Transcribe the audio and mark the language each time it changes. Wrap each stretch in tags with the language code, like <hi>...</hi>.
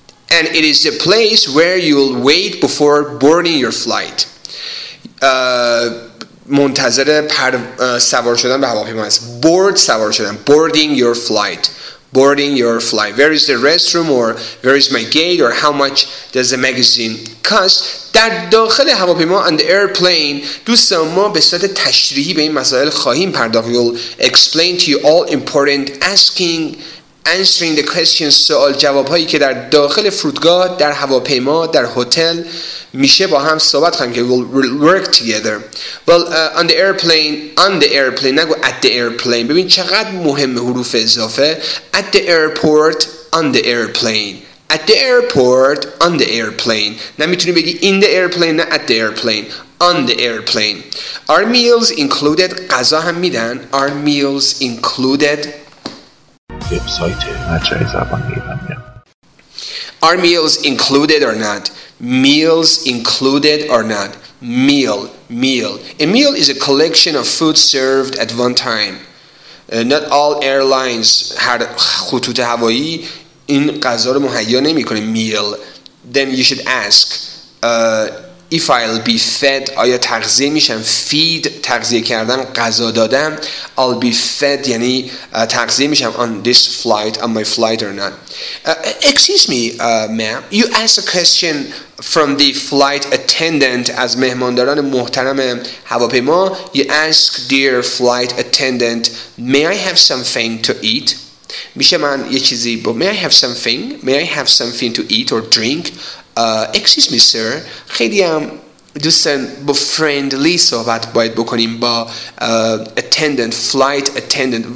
<en>And it is the place where you'll wait before boarding your flight.</en> <fa>منتظر سوار شدن به هواپیما است.</fa> <en>Board</en> <fa>سوار شدن.</fa> <en>Boarding your flight. Where is the restroom or where is my gate or how much does the magazine cost?</en> <fa>در داخل هواپیما</fa> <en>and the airplane,</en> <fa>دوستان ما به صورت تشریحی به این مسائل خواهیم پرداخت.</fa> <en>We'll explain to you all important asking, answering the questions,</en> <fa>سوال جواب هایی که در داخل فرودگاه, در هواپیما, در هتل میشه با هم صحبت کنیم که</fa> <en>we'll work together. Well, on the airplane,</en> <fa>نگو</fa> <en>at the airplane.</en> <fa>ببین چقدر مهم حروف اضافه.</fa> <en>At the airport, on the airplane. At the airport, on the airplane.</en> <fa>نمیتونی بگی</fa> <en>in the airplane,</en> <fa>نه</fa> <en>at the airplane. On the airplane. Our meals included,</en> <fa>غذا هم میدن.</fa> <en>Our meals included.</en> <fa>وبسایت مرجع زبان ایرانیان.</fa> <en>Our meals included or not? Meals included or not? Meal. A meal is a collection of food served at one time. Not all airlines had</en> <fa>خطوط هوایی این غذا رو مهیا نمی کنه.</fa> <en>Meal. Then you should ask if I'll be fed.</en> <fa>آیا تغذیه میشم? Feed, تغذیه کردن, غذا دادن.</fa> <en>I'll be fed</en> <fa>یعنی تغذیه میشم</fa> <en>on this flight, on my flight or not. Excuse me, ma'am. You asked a question from the flight attendant.</en> <fa>از مهمانداران محترم هواپیما.</fa> <en>You ask, dear flight attendant, may I have something to eat?</en> <fa>میشه من یه چیزی با,</fa> <en>may I have something? May I have something to eat or drink? Excuse me, sir.</en> <fa>خیلی هم دوستان با friendly صحبت باید بکنیم با attendant, flight attendant.</fa>